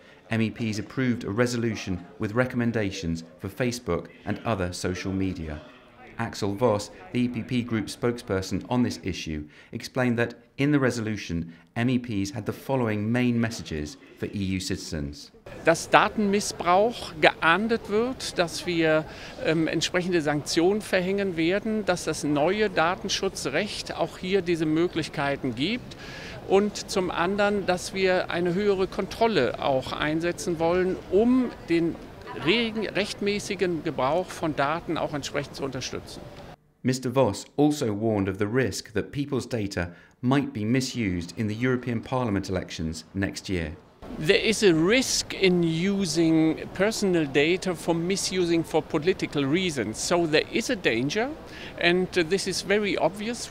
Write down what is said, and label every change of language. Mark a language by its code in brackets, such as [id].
[en] MEPs approved a resolution with recommendations for Facebook and other social media. Axel Voss, the EPP Group spokesperson on this issue, explained that in the resolution, MEPs had the following main messages for EU citizens. [de] Dass Datenmissbrauch geahndet wird, dass wir entsprechende Sanktionen verhängen werden, dass das neue Datenschutzrecht auch hier diese Möglichkeiten gibt. Und zum anderen, dass wir eine höhere Kontrolle auch einsetzen wollen, um den rechtmäßigen Gebrauch von Daten auch entsprechend zu unterstützen. [en] Mr. Voss also warned of the risk that people's data might be misused in the European Parliament elections next year. There is a risk in using personal data for misusing for political reasons. So there is a danger, and this is very obvious.